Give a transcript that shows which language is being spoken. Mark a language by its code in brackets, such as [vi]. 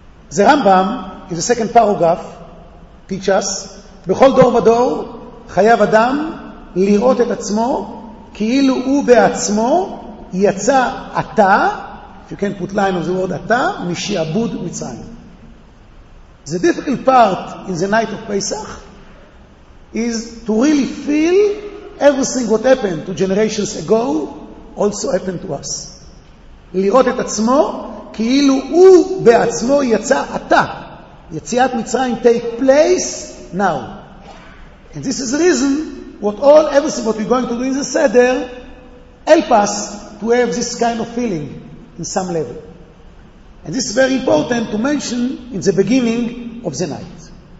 [en] The Rambam, in the second paragraph, teach us, [he] בכל דור ודור, חייב אדם לראות את עצמו, כאילו הוא בעצמו יצא אתה, [en] if you can put line of the word [he] אתה, משעבוד מצרים. [en] The difficult part in the night of Pesach is to really feel everything what happened to generations ago also happened to us. [he] לראות את עצמו, כאילו הוא בעצמו יצא אתה. יציאת מצרים [en] take place now. And this is the reason what all, everything what we're going to do in the Seder help us to have this kind of feeling in some level. And this is very important to mention in the beginning of the night.